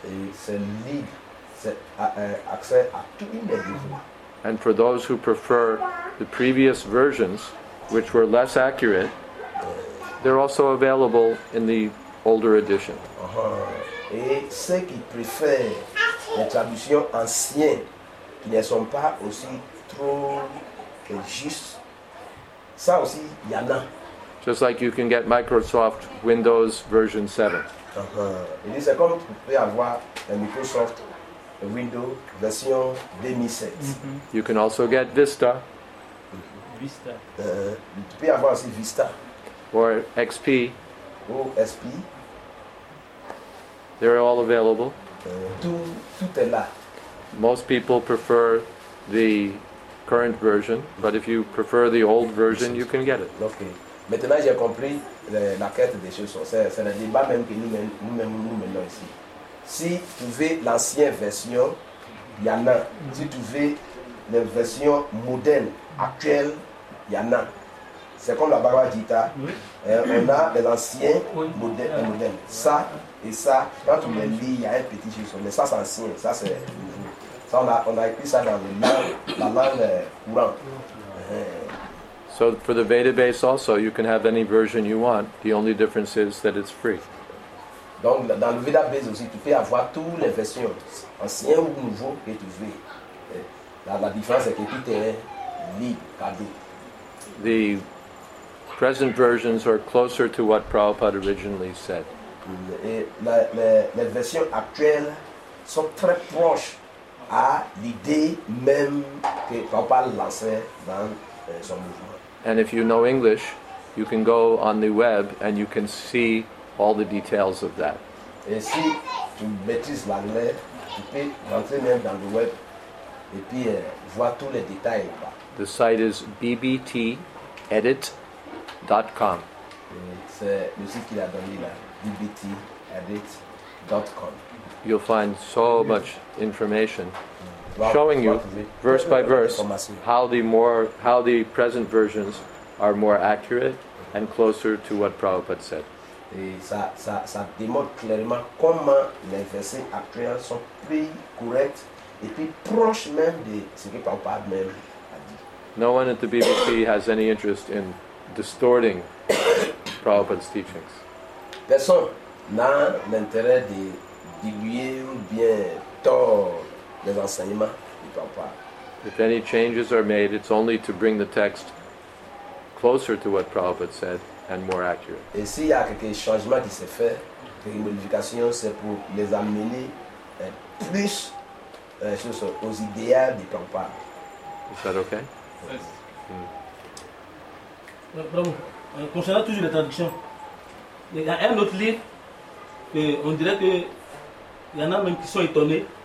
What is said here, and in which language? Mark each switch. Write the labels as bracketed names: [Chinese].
[English] And for those who prefer the previous versions, which were less accurate, they're also available in the older edition. [French] Et ceux qui préfèrent les traductions anciennes, qui ne sont pas aussi trop justes, ça aussi, il y en a. [English] Just like you can get Microsoft Windows version 7. [French] Et c'est comme vous pouvez avoir Microsoft Windows version 2007. [English] You can also get Vista. Vista. [French] Vous pouvez avoir aussi Vista. [English] Or XP. [French] Ou XP. [English] They're all available. [French] Tout est là. [English] Most people prefer the current version, but if you prefer the old version, you can get it. [French] Okay. Maintenant, j'ai compris la quête des choses. C'est le débat même que nous menons ici. Si tu veux l'ancienne version, il y en a. Si tu veux la version moderne, actuelle, il y en a. C'est comme la Bhagavad Gita. On a les anciens, modernes, modernes. Ça et ça, quand tu les lis, il y a un petit chose. Mais ça, c'est ancien. Ça, c'est nouveau. Ça, on a écrit ça dans la langue courante. [English] So for the Veda base also, you can have any version you want. The only difference is that it's free. [French] Donc dans le Veda base aussi, tu peux avoir toutes les versions, anciennes ou nouveaux que tu veux. La différence est que tout est libre, cadeau. [English] The present versions are closer to what Prabhupada originally said. [French] Les versions actuelles sont très proches à l'idée même que Prabhupada lançait dans son mouvement. [English] And if you know English, you can go on the web and you can see all the details of that. [French] Et si tu maîtrises l'anglais, tu peux rentrer même dans le web et puis voir tous les détails. [English] The site is bbtedit.com. [French] C'est le site qu'il a donné là, bbtedit.com. [English] You'll find so much information. Showing you verse by verse how the present versions are more accurate and closer to what Prabhupada said. [French] Ça démontre clairement comment les versets actuels sont plus corrects et plus proches même de ce que Prabhupada même a dit. [English] No one at the BBC has any interest in distorting Prabhupada's teachings. [French] Personne n'a l'intérêt de diluer ou bien tort. [English] If any changes are made, it's only to bring the text closer to what Prabhupada said and more accurate. [French] Et s'il y a quelque changement qui s'est fait, quelque modification, c'est pour les amener plus aux idéaux de Prabhupada. [English] Is that okay? [French] Bravo. Concernant toujours les traductions, il y a un autre livre que on dirait que il y en a même qui sont étonnés.